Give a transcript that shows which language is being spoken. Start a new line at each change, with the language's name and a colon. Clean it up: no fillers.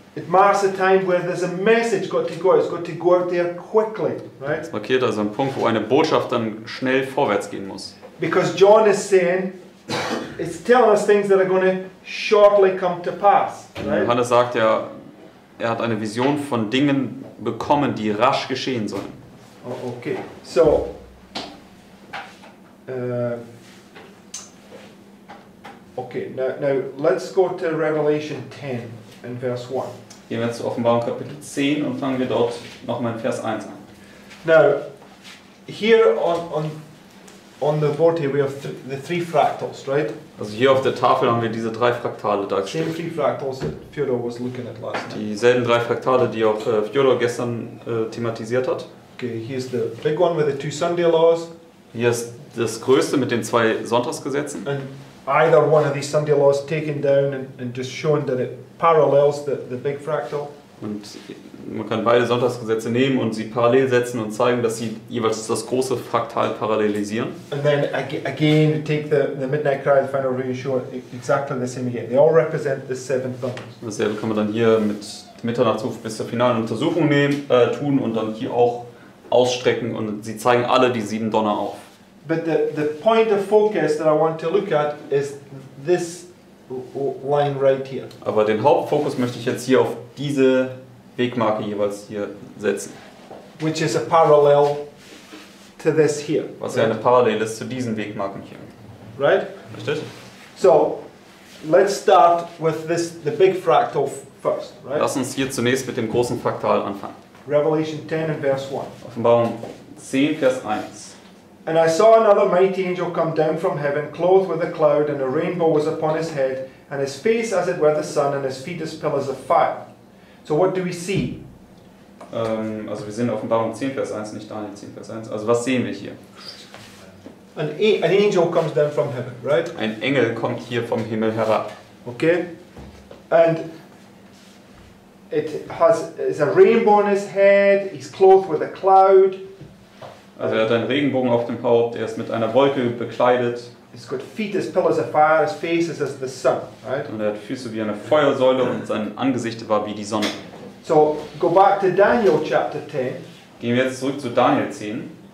English: It marks a time where there's a message got to go. It's got to go out there quickly, right?
German: Es markiert also einen Punkt, wo eine Botschaft dann schnell vorwärts gehen muss.
English: Because John is saying, it's telling us things that are going to shortly come to pass. Right?
German: Johannes sagt ja, er hat eine Vision von Dingen bekommen, die rasch geschehen sollen.
English: Okay, so. Okay, now let's go to Revelation 10 and verse 1.
German: Gehen wir zu Offenbarung Kapitel 10 und fangen wir dort nochmal in Vers 1 an.
English: Now, here on the board here we have the three fractals, right?
German: Also hier auf der Tafel haben wir diese drei Fraktale dargestellt.
English: Same three fractals that Fyodor was looking at last night.
German: Dieselben drei Fraktale, die auch Fyodor gestern thematisiert hat.
English: Okay, here's the big one with the two Sunday laws.
German: Hier ist das größte mit den zwei Sonntagsgesetzen.
English: And either one of these Sunday laws taken down and just showing that it parallels the big fractal.
German: Und man kann beide Sonntagsgesetze nehmen und sie parallel setzen und zeigen, dass sie jeweils das große Fraktal parallelisieren.
English: And then again take the midnight cry, the final ruin, show exactly the same again. They all represent the seven thunders.
German: Dasselbe kann man dann hier mit Mitternachtsruf bis zur finalen Untersuchung nehmen, tun und dann hier auch ausstrecken und sie zeigen alle die sieben Donner auf.
English: But the point of focus that I want to look at is this line right here.
German: Aber den Hauptfokus möchte ich jetzt hier auf diese Wegmarke jeweils hier setzen.
English: Which is a parallel to this here.
German: Was ja eine Parallele ist zu diesen Wegmarken hier.
English: Right?
German: Richtig.
English: So, let's start with this the big fractal first, right?
German: Lass uns hier zunächst mit dem großen Fraktal anfangen.
English: Revelation 10 and verse 1.
German: Offenbarung 10 Vers 1.
English: And I saw another mighty angel come down from heaven, clothed with a cloud, and a rainbow was upon his head, and his face as it were the sun, and his feet as pillars of fire. So what do we see?
German: Also wir sehen Offenbarung 10 Vers 1, nicht Daniel 10 Vers 1. Also was sehen wir hier?
English: An angel comes down from heaven, right?
German: Ein Engel kommt hier vom Himmel herab.
English: Okay. And it has is a rainbow on his head, he's clothed with a cloud.
German: Also er hat einen Regenbogen auf dem Haupt, er ist mit einer Wolke bekleidet.
English: He's got feet as pillars of fire, his face is as the sun, right?
German: Und er hat Füße wie eine Feuersäule und sein Angesicht war wie die Sonne.
English: So, go back to Daniel chapter 10.
German: Gehen wir jetzt zurück zu Daniel 10.